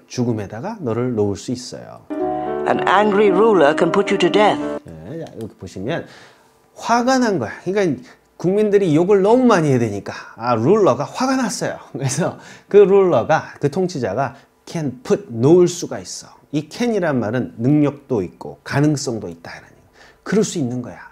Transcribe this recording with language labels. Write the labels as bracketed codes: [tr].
[ko] 죽음에다가 너를 놓을 수 있어요. [en] An angry ruler can put you to death. [ko] 자, 여기 보시면 화가 난 거야. 그러니까 국민들이 욕을 너무 많이 해야 되니까 룰러가 화가 났어요. 그래서 그 룰러가, 그 통치자가 can put, 놓을 수가 있어. 이 can이란 말은 능력도 있고 가능성도 있다. 그럴 수 있는 거야.